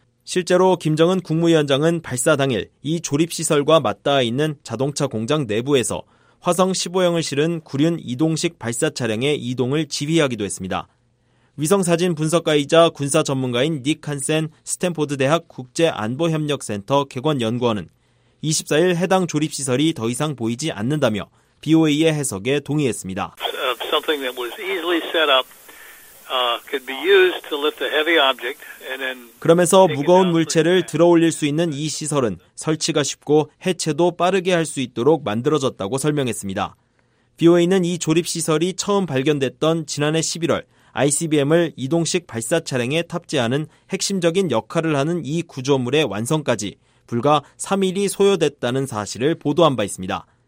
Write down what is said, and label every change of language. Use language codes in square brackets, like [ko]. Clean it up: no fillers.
[ko] 실제로 김정은 국무위원장은 발사 당일 이 조립시설과 맞닿아 있는 자동차 공장 내부에서 화성 15형을 실은 구륜 이동식 발사 차량의 이동을 지휘하기도 했습니다. 위성사진 분석가이자 군사 전문가인 닉 한센 스탠포드 대학 국제안보협력센터 객원연구원은 24일 해당 조립시설이 더 이상 보이지 않는다며 BOA의 해석에 동의했습니다. [en] Something that was easily set up. Could be used to lift a heavy object and then. [ko] 그러면서 무거운 물체를 들어올릴 수 있는 이 시설은 설치가 쉽고 해체도 빠르게 할 수 있도록 만들어졌다고 설명했습니다. BOA는 이 조립 시설이 처음 발견됐던 지난해 11월 ICBM을 이동식 발사 차량에 탑재하는 핵심적인 역할을 하는 이 구조물의 완성까지 불과 3일이 소요됐다는 사실을 보도한 바 있습니다.